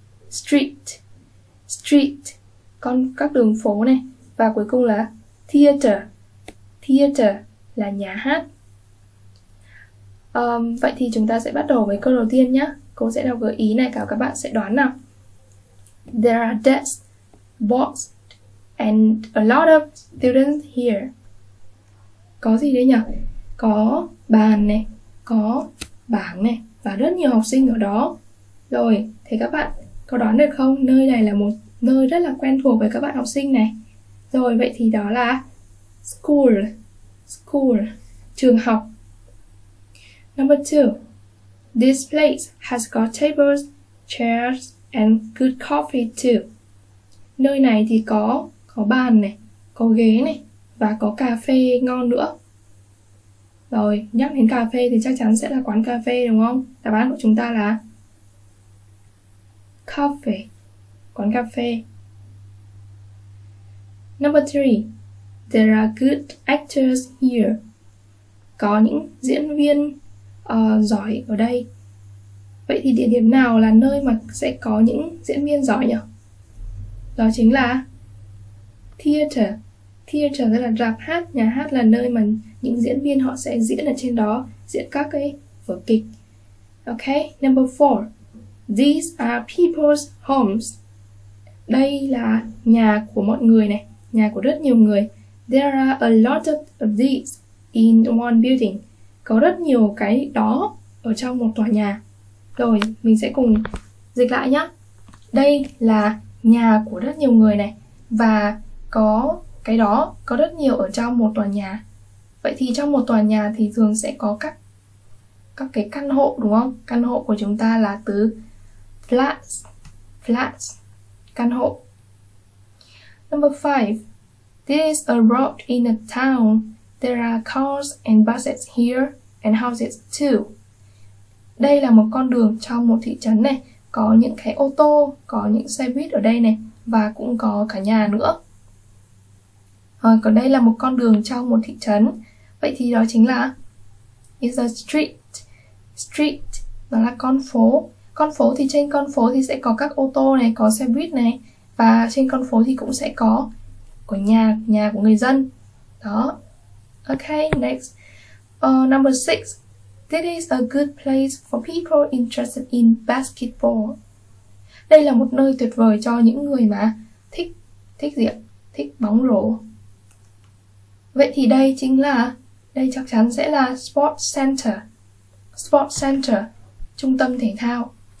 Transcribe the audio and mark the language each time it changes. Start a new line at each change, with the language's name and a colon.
Vietnamese: Street, street, con các đường phố này. Và cuối cùng là theater, theater là nhà hát. Vậy thì chúng ta sẽ bắt đầu với câu đầu tiên nhé. Cô sẽ đọc gợi ý này, cả các bạn sẽ đoán nào.
English: There are desks, boards and a lot of students here.
Vietnamese: Có gì đấy nhỉ? Có bàn này, có bảng này và rất nhiều học sinh ở đó. Rồi, thì các bạn có đoán được không? Nơi này là một nơi rất là quen thuộc với các bạn học sinh này. Rồi, vậy thì đó là School, school, trường học.
English: Number two, this place has got tables, chairs, and good coffee too.
Vietnamese: Nơi này thì có bàn này, có ghế này, và có cà phê ngon nữa. Rồi, nhắc đến cà phê thì chắc chắn sẽ là quán cà phê đúng không? Đáp án của chúng ta là coffee, quán cà phê.
English: Number three, there are good actors here.
Vietnamese: Có những diễn viên giỏi ở đây. Vậy thì địa điểm nào là nơi mà sẽ có những diễn viên giỏi nhỉ? Đó chính là theater. Theater tức là rạp hát, nhà hát là nơi mà những diễn viên họ sẽ diễn ở trên đó, diễn các cái vở kịch.
English: Ok, number four, these are people's homes.
Vietnamese: Đây là nhà của mọi người này, nhà của rất nhiều người.
English: There are a lot of these in one building.
Vietnamese: Có rất nhiều cái đó ở trong một tòa nhà. Rồi, mình sẽ cùng dịch lại nhé. Đây là nhà của rất nhiều người này, và có cái đó có rất nhiều ở trong một tòa nhà. Vậy thì trong một tòa nhà thì thường sẽ có các cái căn hộ đúng không? Căn hộ của chúng ta là từ flats, flats, căn hộ.
English: Number five, this is a road in a town. There are cars and buses here and houses too.
Vietnamese: Đây là một con đường trong một thị trấn này, có những cái ô tô, có những xe buýt ở đây này, và cũng có cả nhà nữa. Rồi, còn đây là một con đường trong một thị trấn. Vậy thì đó chính là is a street. Street, đó là con phố. Con phố thì trên con phố thì sẽ có các ô tô này, có xe buýt này. Và trên con phố thì cũng sẽ có nhà của người dân.
English: Đó. Ok, next. Number 6. This is a good place for people interested in basketball.
Vietnamese: Đây là một nơi tuyệt vời cho những người mà thích gì ạ? Thích bóng rổ. Vậy thì đây chính là, đây chắc chắn sẽ là Sports Center. Sports Center, trung tâm thể thao.